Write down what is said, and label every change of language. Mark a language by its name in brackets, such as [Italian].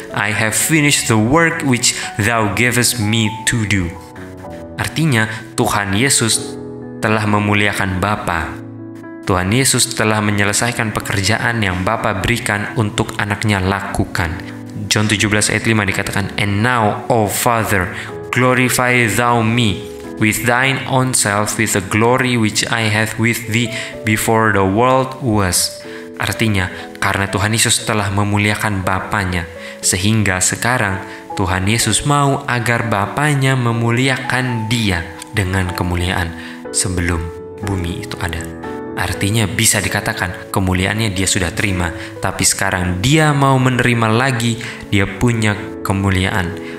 [English] I have finished the work which thou gavest me to do. [Indonesian] Artinya Tuhan Yesus telah memuliakan Bapa. Tuhan Yesus telah menyelesaikan pekerjaan yang Bapa berikan untuk anaknya lakukan. [English] John 17 [Indonesian] ayat 5 dikatakan, [English] and now, O Father, glorify thou me with thine own self, with the glory which I had with thee before the world was. [Indonesian] Artinya, karena Tuhan Yesus telah memuliakan Bapanya, sehingga sekarang Tuhan Yesus mau agar Bapanya memuliakan dia dengan kemuliaan sebelum bumi itu ada. Artinya bisa dikatakan kemuliaannya dia sudah terima, tapi sekarang dia mau menerima lagi dia punya kemuliaan.